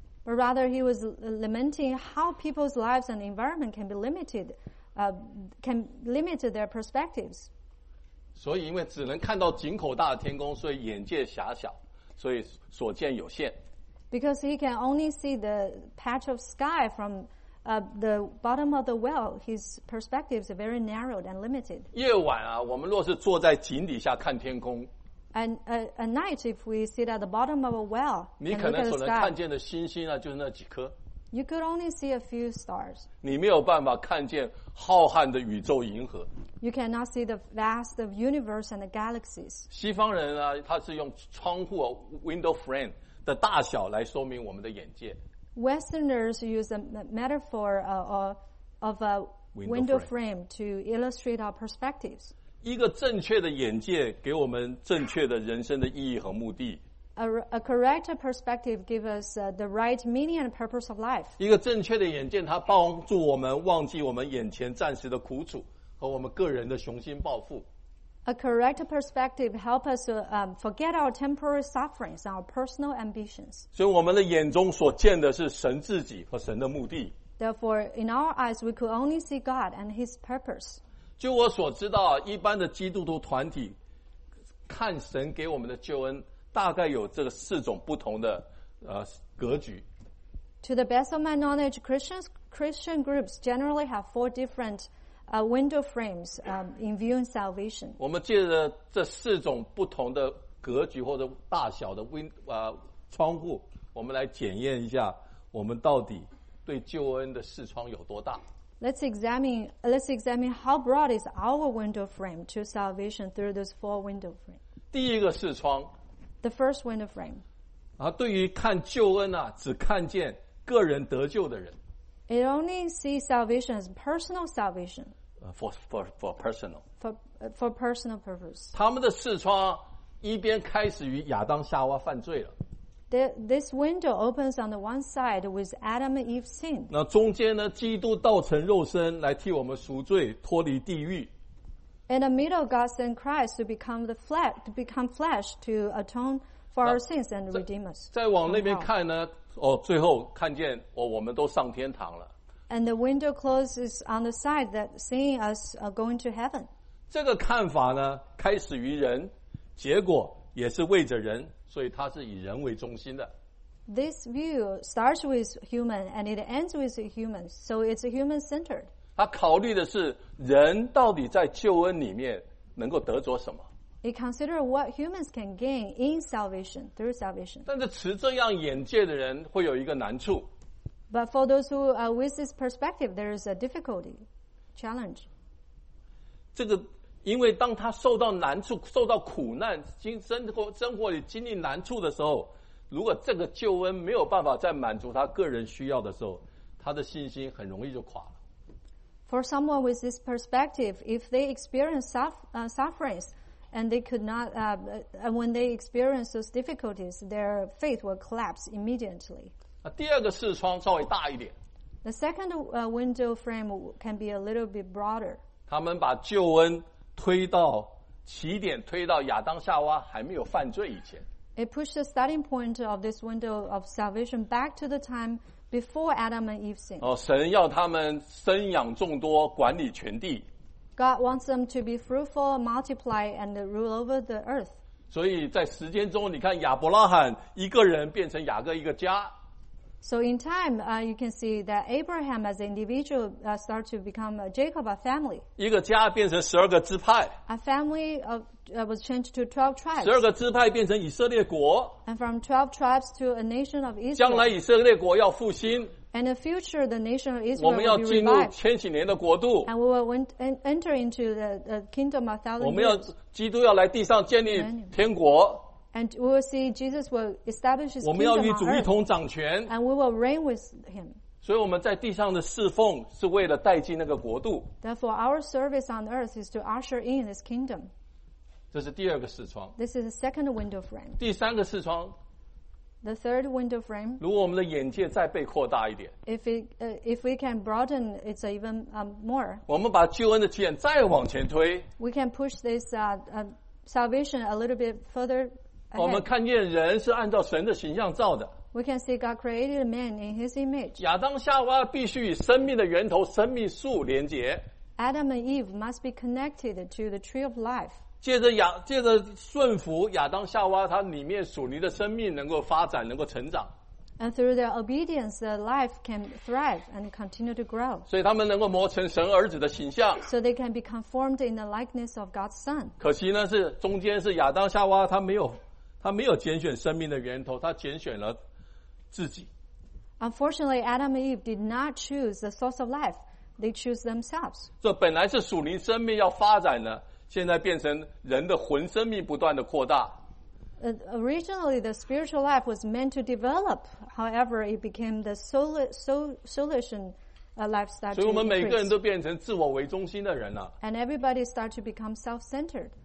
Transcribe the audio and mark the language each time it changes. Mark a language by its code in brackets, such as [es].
[en] But rather, he was lamenting how people's lives and environment can be limited, can limit their perspectives. [zh] 所以，因为只能看到井口大的天空，所以眼界狭小，所以所见有限。 [en] Because he can only see the patch of sky from the bottom of the well, his perspectives are very narrowed and limited. [zh] 夜晚啊，我们若是坐在井底下看天空。 [en] And at night, if we sit at the bottom of a well, [zh] 你可能所能看见的星星啊，就是那几颗。 [en] You could only see a few stars. [zh] 你没有办法看见浩瀚的宇宙银河。 [en] You cannot see the vast of universe and the galaxies. [zh] 西方人啊，他是用窗户 [en] window frame [zh] 的大小来说明我们的眼界。 [en] Westerners use a metaphor of a window frame to illustrate our perspectives. [zh] 一个正确的眼界给我们正确的人生的意义和目的。 [en] A correct perspective gives us the right meaning and purpose of life. [zh] 一个正确的眼界，它帮助我们忘记我们眼前暂时的苦楚和我们个人的雄心抱负。 [en] A correct perspective helps us forget our temporary sufferings and our personal ambitions. [zh] 所以我们的眼中所见的是神自己和神的目的。 [en] Therefore, in our eyes, we could only see God and His purpose. [zh] 据我所知道，一般的基督徒团体看神给我们的救恩，大概有这四种不同的格局。 [en] To the best of my knowledge, Christian groups generally have four different window frames in viewing salvation. [zh] 我们借着这四种不同的格局或者大小的窗户，我们来检验一下我们到底对救恩的视窗有多大。 [en] Let's examine how broad is our window frame to salvation through those four window frames. [zh] 第一个视窗。 [en] The first window frame. [zh] 对于看救恩啊，只看见个人得救的人。 [en] It only sees salvation as personal salvation. For personal purpose. [zh] 他们的视窗一边开始与亚当夏娃犯罪了。 [en] This window opens on the one side with Adam and Eve's sin. [zh] 那中间呢，基督道成肉身来替我们赎罪，脱离地狱。 [en] In the middle, God sent Christ to become the flesh, to become flesh to atone for our sins and redeem us. [zh] 再往那边看呢？哦，最后看见哦，我们都上天堂了。 [en] And the window closes on the side that seeing us going to heaven. [zh] 这个看法呢，开始于人，结果也是为着人，所以它是以人为中心的。 [en] This view starts with human and it ends with human, so it's human-centered. [zh] 他考虑的是人到底在救恩里面能够得着什么。 [en] He considers what humans can gain in salvation, through salvation. [zh] 但是持这样眼界的人会有一个难处。 [en] But for those who are with this perspective, there is a difficulty, challenge. [zh] 这个因为当他受到难处，受到苦难，生活里经历难处的时候，如果这个救恩没有办法再满足他个人需要的时候，他的信心很容易就垮了。 [en] For someone with this perspective, if they experience sufferings and they could not, when they experience those difficulties, their faith will collapse immediately. [zh] 第二个视窗稍微大一点。 [en] The second window frame can be a little bit broader. [zh] 他们把救恩推到起点，推到亚当夏娃还没有犯罪以前。 [en] It pushed the starting point of this window of salvation back to the time. Before Adam and Eve sinned. [zh] 神要他们生养众多，管理全地。 [en] God wants them to be fruitful, multiply, and rule over the earth. [zh] 所以在时间中，你看亚伯拉罕一个人变成雅各一个家。 [en] So in time, you can see that Abraham as an individual start to become Jacob a family. [zh] 一个家变成十二个支派。 [en] A family of was changed to 12 tribes. [zh] 十二个支派变成以色列国。 [en] And from 12 tribes to a nation of Israel. [zh] 将来以色列国要复兴。 [en] In the future, the nation of Israel will be revived. [zh] 我们要进入千禧年的国度。 [en] And we will enter into the kingdom of 1,000 years. [zh] 我们要基督要来地上建立天国。 [en] And we will see Jesus will establish his kingdom on earth. [zh] 我们要与主一同掌权。 [en] And we will reign with him. [zh] 所以我们在地上的侍奉是为了带进那个国度。 [en] Therefore, our service on earth is to usher in this kingdom. [zh] 这是第二个视窗。 [en] This is the second window frame. [zh] 第三个视窗。 [en] The third window frame. [zh] 如果我们的眼界再被扩大一点。 [en] If we can broaden, it's even more. [zh] 我们把救恩的起点再往前推。 [en] We can push this salvation a little bit further. [zh] 我们看见人是按照神的形象造的。 [en] We can see God created man in His image. [zh] 亚当夏娃必须与生命的源头生命树连结。 [en] Adam and Eve must be connected to the tree of life. [zh] 借着顺服亚当夏娃，他里面属灵的生命能够发展，能够成长。 [en] And through their obedience, the life can thrive and continue to grow. [zh] 所以他们能够磨成神儿子的形象。 [en] So they can be conformed in the likeness of God's Son. [zh] 可惜呢，是中间是亚当夏娃，他没有拣选生命的源头，他拣选了自己。 [en] Unfortunately, Adam and Eve did not choose the source of life; they chose themselves. [zh] 这本来是属灵生命要发展的，现在变成人的魂生命不断的扩大。 [en] Originally, the spiritual life was meant to develop. However, it became the soulish lifestyle. [zh] 所以我们每个人都变成自我为中心的人了。 [en] And everybody start to become self-centered.